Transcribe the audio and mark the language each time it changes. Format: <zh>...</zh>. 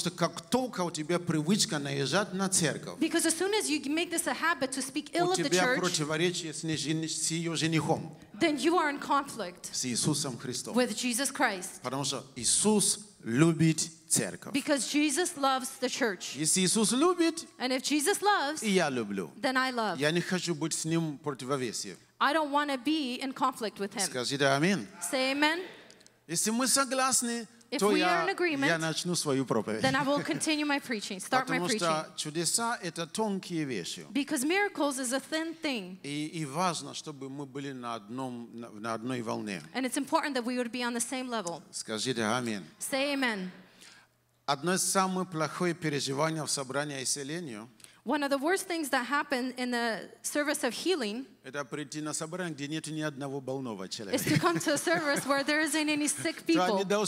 <ru>Что, как только у тебя привычка наезжать на церковь,</ru> <en>because as soon as you make this a habit to speak ill of the church,</en> <ru>у тебя противоречие с ее женихом,</ru> <en>then you are in conflict</en> <ru>с Иисусом Христом,</ru> <en>with Jesus Christ.</en> <ru>Потому что Иисус любит церковь.</ru> <en>Because Jesus loves the church.</en> <ru>Если Иисус любит,</ru> <en>and if Jesus loves,</en> <ru>и я люблю,</ru> <en>then I love.</en> <ru>Я не хочу быть с ним противовесие.</ru> <en>I don't want to be in conflict with him.</en> <ru>Скажите амин.</ru> <en>Say amen.</en> <ru>Если мы согласны,</ru> <en>if</en> <ru>то</ru> <en>we are in agreement,</en> <ru>я начну свою проповедь.</ru> <en>Then I will continue my preaching. Start</en> <ru>потому</ru> <en>my preaching.</en> <ru>Потому что чудеса — это тонкие вещи.</ru> <en>Because miracles is a thin thing.</en> <ru>И важно, чтобы мы были на одной волне.</ru> <en>And it's important that we would be on the same level.</en> <ru>Скажите амин.</ru> <en>Say amen.</en> <ru>Одно из самых плохих переживаний в собрании исцеления.</ru> <en>One of the worst things that happen in the service of healing is to come to a service where there isn't any sick people.</en>